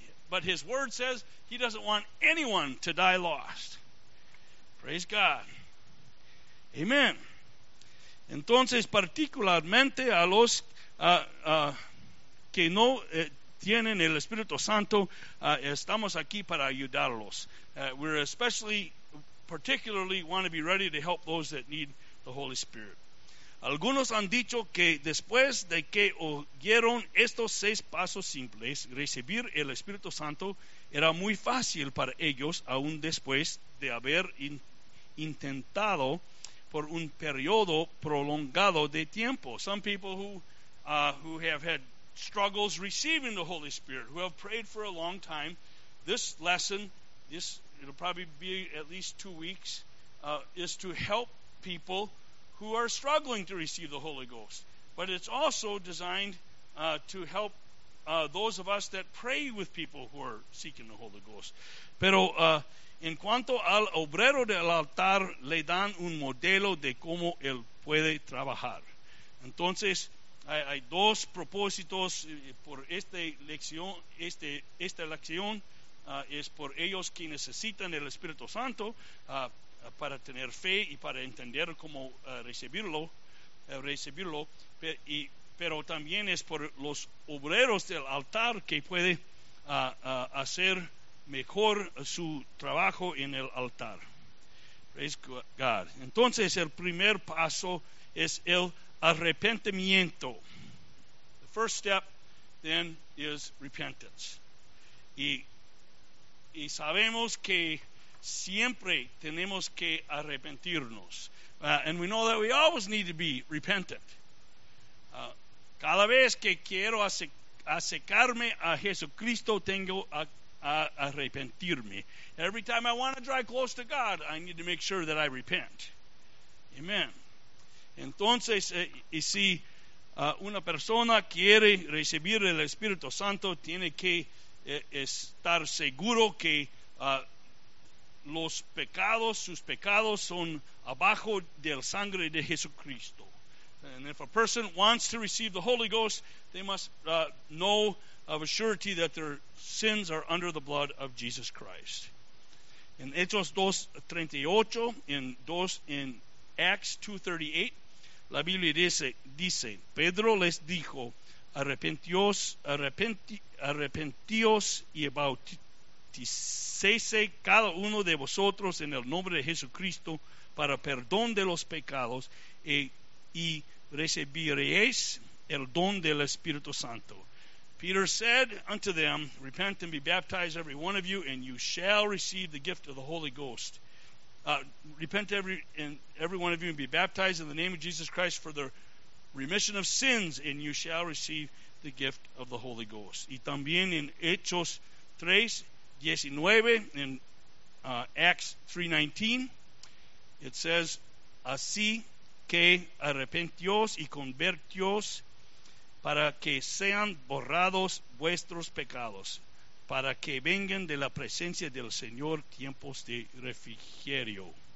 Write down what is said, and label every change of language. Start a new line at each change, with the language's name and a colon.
English: But His word says He doesn't want anyone to die lost. Praise God. Amen.
Spanish: Entonces, particularmente a los que no tienen el Espíritu Santo, estamos aquí para ayudarlos.
English: We're especially, particularly, want to be ready to help those that need the Holy Spirit.
Spanish: Algunos han dicho que después de que oyeron estos 6 pasos simples, recibir el Espíritu Santo era muy fácil para ellos, aún después de haber intentado por un periodo prolongado de tiempo.
English: Some people who have had struggles receiving the Holy Spirit, who have prayed for a long time, this lesson, it'll probably be at least 2 weeks, is to help people who are struggling to receive the Holy Ghost. But it's also designed to help those of us that pray with people who are seeking the Holy Ghost.
Spanish: Pero en cuanto al obrero del altar, le dan un modelo de cómo él puede trabajar. Entonces, hay 2 propósitos por esta lección. Esta lección es por ellos que necesitan el Espíritu Santo para tener fe y para entender cómo recibirlo. recibirlo, pero también es por los obreros del altar que puede hacer mejor su trabajo en el altar.
English: Praise God.
Spanish: Entonces el primer paso es el arrepentimiento.
English: The first step then is repentance.
Spanish: Y sabemos que siempre tenemos que arrepentirnos.
English: And we know that we always need to be repentant.
Spanish: Cada vez que quiero acercarme a Jesucristo, tengo a arrepentirme.
English: Every time I want to draw close to God, I need to make sure that I repent. Amen.
Spanish: Entonces, y si una persona quiere recibir el Espíritu Santo, tiene que estar seguro que sus pecados son abajo del sangre de Jesucristo.
English: And if a person wants to receive the Holy Ghost, they must know of a surety that their sins are under the blood of Jesus Christ.
Spanish: In Hechos 2:38,
English: in Acts 2:38,
Spanish: la Biblia dice, Pedro les dijo, arrepentíos y bautícese cada uno de vosotros en el nombre de Jesucristo para perdón de los pecados y recibiréis el don del Espíritu Santo.
English: Peter said unto them, repent and be baptized every one of you, and you shall receive the gift of the Holy Ghost. Repent every one of you and be baptized in the name of Jesus Christ for the remission of sins, and you shall receive the gift of the Holy Ghost.
Spanish: Y también en Hechos 3:19,
English: in Acts 3:19, it says,
Spanish: así que arrepentíos y convertíos para que sean borrados vuestros pecados, para que vengan de la presencia del Señor tiempos de refrigerio.